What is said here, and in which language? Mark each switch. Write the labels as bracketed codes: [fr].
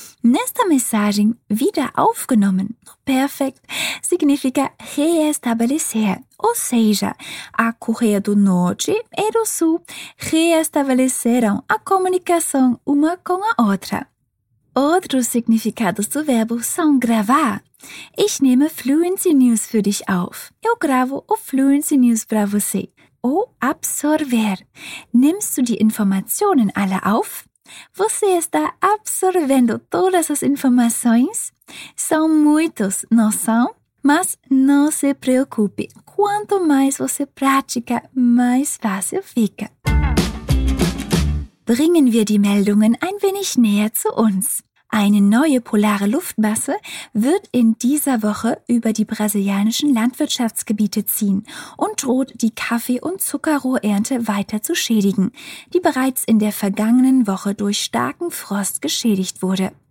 [pt] Nesta mensagem, [de] wieder aufgenommen, [pt] perfect, significa reestabelecer, ou seja, a Coreia do Norte e do Sul reestabeleceram a comunicação uma com a outra. Outros significados do verbo são gravar. [de] Ich nehme Fluency News für dich auf. [pt] Eu gravo o Fluency News para você. Ou absorver. [de] Nimmst du die Informationen alle auf? [pt] Você está absorvendo todas as informações? São muitos, não são? Mas não se preocupe. Quanto mais você pratica, mais fácil fica. [de] Bringen wir die Meldungen ein wenig näher zu uns. Eine neue polare Luftmasse wird in dieser Woche über die brasilianischen Landwirtschaftsgebiete ziehen und droht, die Kaffee- und Zuckerrohrernte weiter zu schädigen, die bereits in der vergangenen Woche durch starken Frost geschädigt wurde.